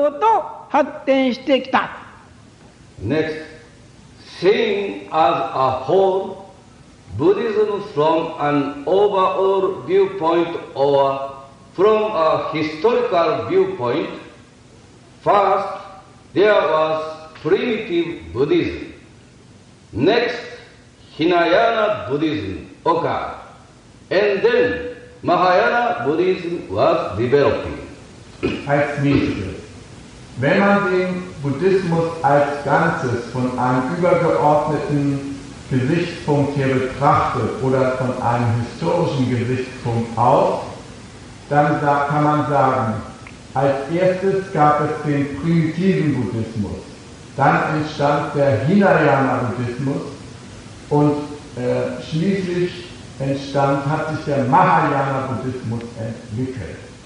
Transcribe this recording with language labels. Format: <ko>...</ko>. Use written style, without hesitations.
<ja>次に仏教全体としては歴史的に見て、初めに原始仏教あり、次に清浄仏教、さらに大乗仏教と発展してきた。</ja> <en>Next. Seen as a whole, Buddhism from an overall viewpoint or from a historical viewpoint, first there was primitive Buddhism, next Hinayana Buddhism occurred, and then Mahayana Buddhism was developing.</en> <de>Als nächstes, wenn man den Buddhismus als Ganzes von einem übergeordneten Gesichtspunkt her betrachtet oder von einem historischen Gesichtspunkt aus, dann kann man sagen, als erstes gab es den primitiven Buddhismus, dann entstand der Hinayana Buddhismus und schließlich hat sich der Mahayana Buddhismus entwickelt.</de>